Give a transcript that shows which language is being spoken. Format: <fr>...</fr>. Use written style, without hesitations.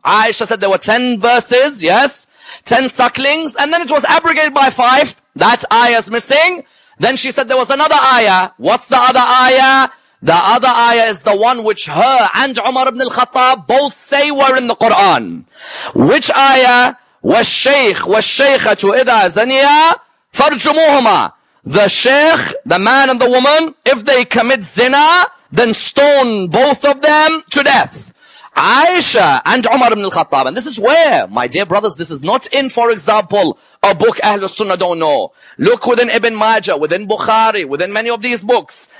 <en>Aisha said there were 10 verses, yes, 10 sucklings, and then it was abrogated by 5. That ayah is missing. Then she said there was another ayah. What's the other ayah? The other ayah is the one which her and Umar ibn al-Khattab both say were in the Quran. Which ayah?</en> <ar>والشيخ والشيخة إذا زنيا فرجموهما.</ar> <en>The sheikh, the man and the woman, if they commit zina, then stone both of them to death. Aisha and Umar ibn al-Khattab. And this is where, my dear brothers, this is not in, for example, a book Ahl al-Sunnah don't know. Look within Ibn Majah, within Bukhari, within many of these books.</en>